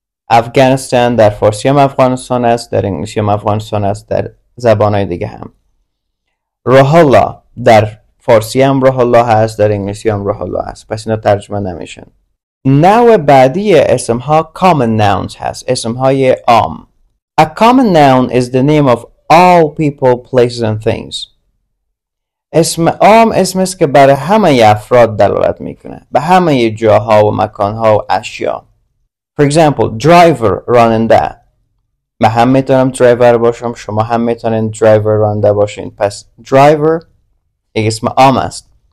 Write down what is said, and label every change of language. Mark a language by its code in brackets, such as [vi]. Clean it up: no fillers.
[fa] افغانستان در فارسی هم افغانستان است، در انگلیسی هم افغانستان است، در زبانهای دیگه هم. روح الله در فارسی هم روح الله هست، در انگلیسی هم روح الله هست، پس اینا ترجمه نمیشن. نوع بعدی اسم ها common nouns هست، اسم های عام. [en] A common noun is the name of all people, places and things. [fa] اسم عام اسم است که برای همه افراد دلالت میکنه، به همه جاها و مکانها و اشیا. [en] For example, driver، راننده. [fa] من هم میتونم driver باشم، شما هم میتونین driver، راننده باشین، پس driver یک اسم عام است.